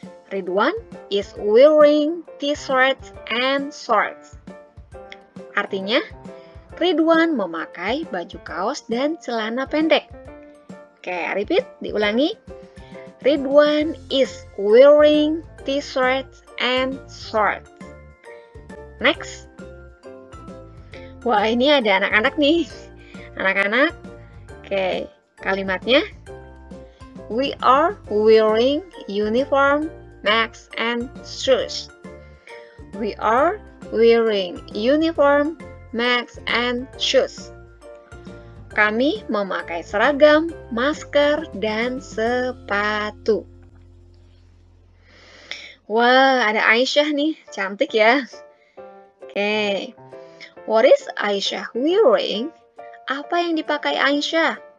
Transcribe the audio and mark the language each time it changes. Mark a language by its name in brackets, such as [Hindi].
[English] Ridwan is wearing t-shirts and shorts. [Indonesian] Artinya, Ridwan memakai baju kaos dan celana pendek. Oke, repeat, diulangi. [English] Ridwan is wearing t-shirts and shorts. Next. [Indonesian] Wah, ini ada anak-anak nih. Anak-anak. Oke, kalimatnya. [English] We are wearing uniform, masks, and shoes. We are wearing uniform, masks, and shoes. [Indonesian] Kami memakai seragam, masker, dan sepatu. Wah, ada Aisyah nih. Cantik ya. Oke. [English] What is Aisyah wearing? [Indonesian] Apa yang dipakai Aisyah?